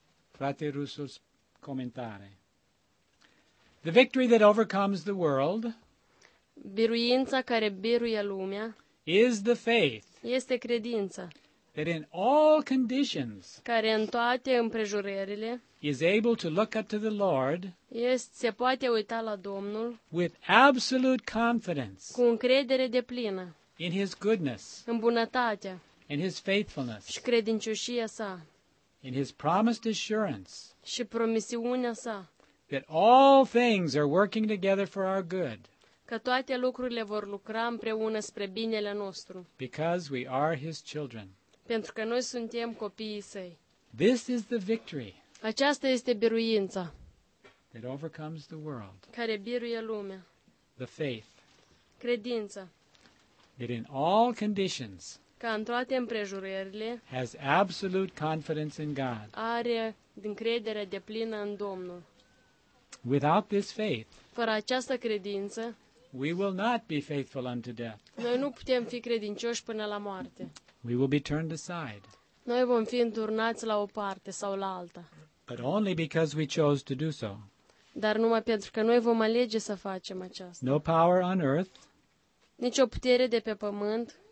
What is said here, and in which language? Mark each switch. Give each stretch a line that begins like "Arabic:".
Romanian: Frate Rusu's comentare.
English: The victory that overcomes the world.
Romanian: Biruința care biruie lumea.
English: Is the faith.
Romanian: Este credința.
English: That in all conditions.
Romanian: Care în toate împrejurările.
English: Is able to look up to the Lord.
Romanian: Se poate uita la Domnul.
English: With absolute confidence.
Romanian: Cu încredere deplină.
English: In his goodness.
Romanian: În bunătatea.
English: In his faithfulness.
Romanian: Și credincioșia sa.
English: In his promised assurance.
Romanian: Și promisiunea sa.
English: That all things are working together for our good.
Romanian: Că toate lucrurile vor lucra împreună spre binele nostru.
English: Because we are his children.
Romanian: Pentru că noi suntem copiii săi.
English: This is the victory.
Romanian: Aceasta este biruința.
English: That overcomes the world.
Romanian: Care biruie lumea.
English: The faith.
Romanian: credință.
English: It in all conditions.
Romanian: Ca în toate împrejurările.
English: Has absolute confidence in God.
Romanian: Are încredere deplină în Domnul.
English: Without this faith.
Romanian: Fără această credință.
English: We will not be faithful unto death.
Romanian: Noi nu putem fi credincioși până la moarte.
English: We will be turned aside.
Romanian: Noi vom fi înturnați la o parte sau la alta.
English: But only because we chose to do so.
Romanian: Dar numai pentru că noi vom alege să facem aceasta.
English: No power on earth.
Romanian: Nicio putere de pe pământ.